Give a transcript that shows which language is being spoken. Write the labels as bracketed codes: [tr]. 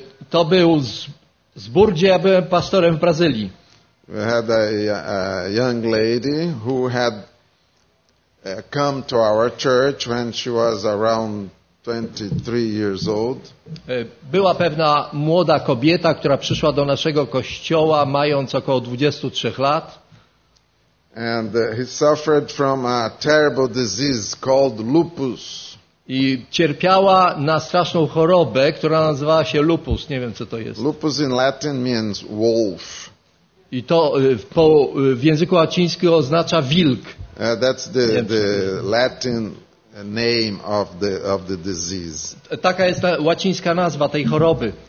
[pl] To był zbór, gdzie ja byłem pastorem w Brazylii. [en] We had a young lady who had come to our church when she was around 23 years old. [pl] Była pewna młoda kobieta, która przyszła do naszego kościoła mając około 23 lat. [en] And he suffered from a terrible disease called lupus. [pl] I cierpiała na straszną chorobę, która nazywała się lupus. Nie wiem, co to jest. [en] Lupus in Latin means wolf. [pl] I to w języku łacińskim oznacza wilk. [en] That's the Latin name of the disease. [pl] Taka jest łacińska nazwa tej choroby.